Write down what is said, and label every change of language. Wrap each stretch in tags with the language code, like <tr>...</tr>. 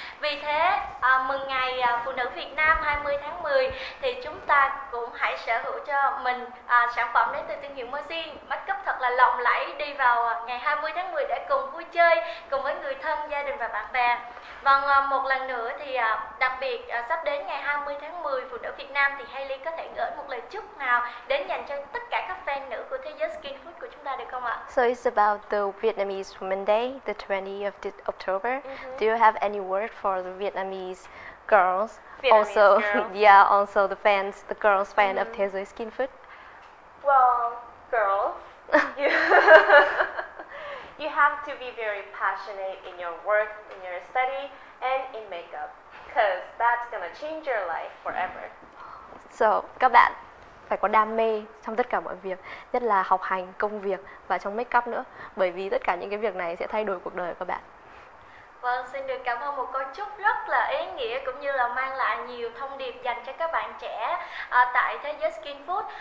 <vi>Vì thế mừng ngày phụ nữ Việt Nam 20 tháng 10 thì chúng ta cũng hãy sở hữu cho mình sản phẩm đến từ thương hiệu Mercy, make up thật là lộng lẫy đi vào ngày 20 tháng 10 để cùng vui chơi cùng với người thân, gia đình và bạn bè. Vâng, một lần nữa thì đặc biệt sắp đến ngày 20 tháng 10 phụ nữ Việt Nam thì Hailey có thể gửi một lời chúc chút nào đến dành cho tất cả các fan nữ của thế giới Skin Food của chúng ta được không ạ?</vi> <en>So it's about the Vietnamese Women Day, the 20th of the October. Mm-hmm. Do you have any word for the Vietnamese girls? Vietnamese also, girls. Yeah, also the fans, the girls fan mm-hmm. of Thế Giới Skin Food. Well, girls, you have to be very passionate in your work, in your study, and in makeup, because that's gonna change your life forever.</en> <vi>So, các bạn phải có đam mê trong tất cả mọi việc, nhất là học hành, công việc và trong makeup nữa, bởi vì tất cả những cái việc này sẽ thay đổi cuộc đời của các bạn. Vâng, xin được cảm ơn một câu chúc rất là ý nghĩa cũng như là mang lại nhiều thông điệp dành cho các bạn trẻ tại Thế Giới Skin Food.</vi>